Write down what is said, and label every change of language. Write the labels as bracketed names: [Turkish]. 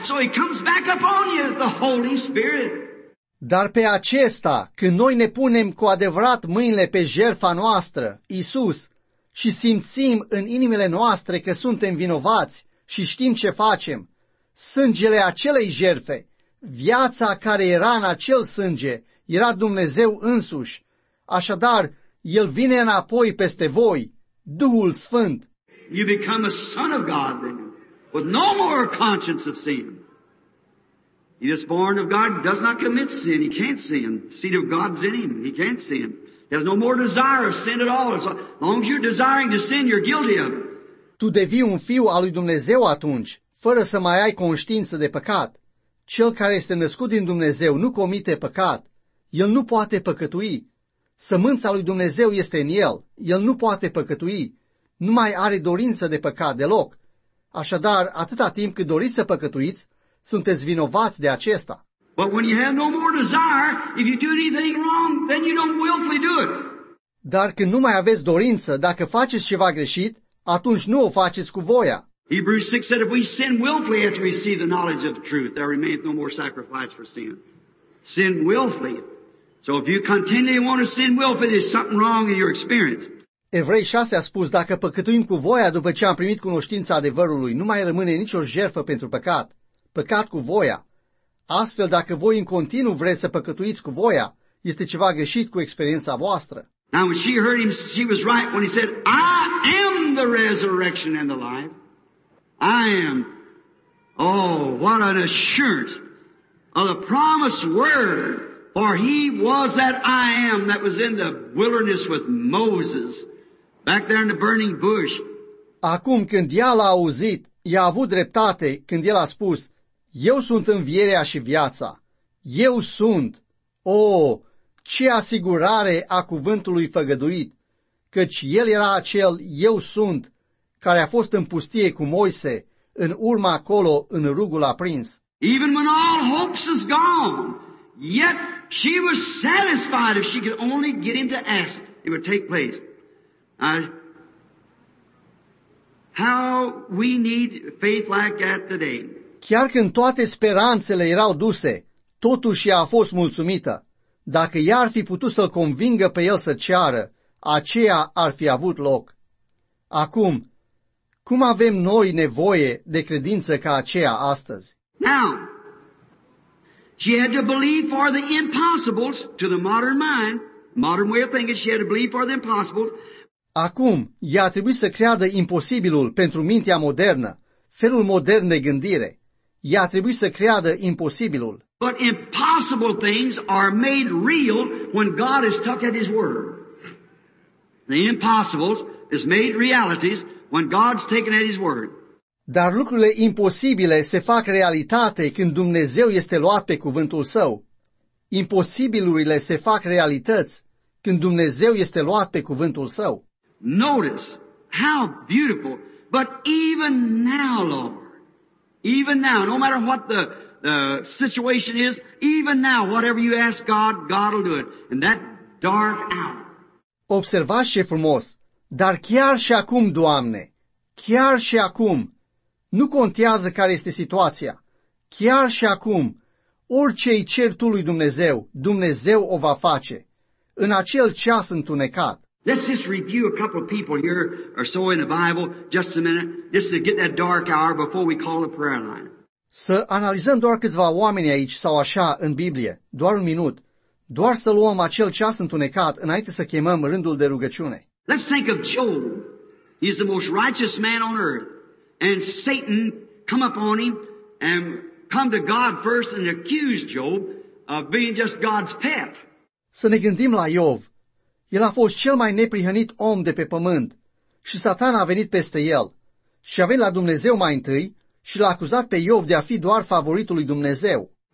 [English] So he comes back upon you, the Holy Spirit. [Romanian] Dar pe acesta, când noi ne punem cu adevărat mâinile pe jertfa noastră, Iisus, și simțim în inimile noastre că suntem vinovați și știm ce facem. Sângele acelei jertfe, viața care era în acel sânge, era Dumnezeu însuși. Așadar, El vine înapoi peste voi, Duhul Sfânt. [English] You become a son of God then, with no more conscience of sin. He is born of God, does not commit sin, he can't sin. Seed of God's in him, he can't sin. There's no more desire of sin at all. As long as you're desiring to sin, you're guilty of it. [Romanian] Tu devii un fiu al lui Dumnezeu atunci, fără să mai ai conștiință de păcat. Cel care este născut din Dumnezeu nu comite păcat. El nu poate păcătui. Sămânța lui Dumnezeu este în el. El nu poate păcătui. Nu mai are dorință de păcat deloc. Așadar, atâta timp cât doriți să păcătuiți, sunteți vinovați de acesta. [English] But when you have no more desire, if you do anything wrong, then you don't willfully do it. [Romanian] Dar când nu mai aveți dorință, dacă faceți ceva greșit, atunci nu o faceți cu voia. [English] Hebrews 6 said, if we sin willfully after we see the knowledge of the truth, there remains no more sacrifice for sin. Sin willfully. So if you continually want to sin willfully, there's something wrong in your experience. [Romanian] Evrei 6 a spus, dacă păcătuim cu voia după ce am primit cunoștința adevărului, nu mai rămâne nicio jertfă pentru păcat. Păcat cu voia. Astfel, dacă voi în continuu vreți să păcătuiți cu voia, este ceva greșit cu experiența voastră. [English] Now when she heard him, she was right when he said, I am the resurrection and the life. I am. Oh, what an assurance of the promised word For he was that I am that was in the wilderness with Moses, back there in the burning bush. [Romanian] Acum când ea l-a auzit, i-a avut dreptate când el a spus, Eu sunt învierea și viața. Eu sunt. O, ce asigurare a cuvântului făgăduit, căci el era acel Eu sunt, care a fost în pustie cu Moise, în urma acolo, în rugul aprins. [English] Even when all hopes is gone, yet she was satisfied if she could only get him to ask, it would take place. How we need faith like that today. [Romanian] Chiar când toate speranțele erau duse, totuși ea a fost mulțumită. Dacă ea ar fi putut să-l convingă pe el să ceară, aceea ar fi avut loc. Acum, cum avem noi nevoie de credință ca aceea astăzi? [English] Now, she had to believe for the impossibles to the modern mind, modern way of thinking, she had to believe for the impossibles. [Romanian] Acum, ea a trebuit să creadă imposibilul pentru mintea modernă, felul modern de gândire. Ea trebuie să creadă imposibilul. [English] But impossible things are made real when God is took at his word. The impossibles is made realities when God's taken at his word. [Romanian] Dar lucrurile imposibile se fac realitate când Dumnezeu este luat pe cuvântul său. Imposibilurile se fac realități când Dumnezeu este luat pe cuvântul său. [English] Notice how beautiful, but even now, Lord, even now, no matter what the situation is, even now, whatever you ask God, God will do it. In that dark hour. [Romanian] Observați ce frumos, dar chiar și acum, Doamne, chiar și acum, nu contează care este situația, chiar și acum, orice îi cer tu lui Dumnezeu, Dumnezeu o va face, în acel ceas întunecat. [English] Let's just review a couple of people here or so in the Bible, just a minute, just to get that dark hour before we call the prayer line. [Romanian] Să analizăm doar câțiva oameni aici sau așa în Biblie, doar un minut, doar să luăm acel ceas întunecat înainte să chemăm rândul de rugăciune. [English] Let's think of Job. He's the most righteous man on earth. And Satan come upon him and come to God first and accused Job of being just God's pet. [Romanian] Să ne gândim la Iov. El a fost cel mai neprihănit om de pe pământ și Satan a venit peste el și a venit la Dumnezeu mai întâi și l-a acuzat pe Iov de a fi doar favoritul lui Dumnezeu.